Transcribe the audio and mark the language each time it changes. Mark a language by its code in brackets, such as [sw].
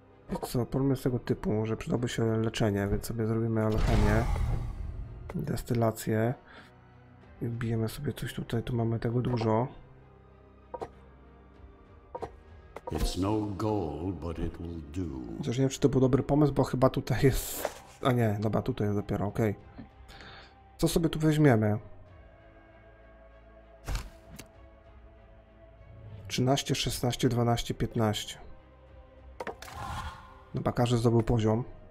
[pl] Wiesz co, problem jest tego typu, że przydałoby się leczenie, więc sobie zrobimy alchemię, destylację i wbijemy sobie coś tutaj, tu mamy tego dużo. [en] It's no gold, but it will do. [pl] Chociaż nie wiem, czy to był dobry pomysł, bo chyba tutaj jest... A nie, dobra, tutaj jest dopiero, okej. Okay. Co sobie tu weźmiemy? 13, 16, 12, 15. Dobra, każdy zdobył poziom.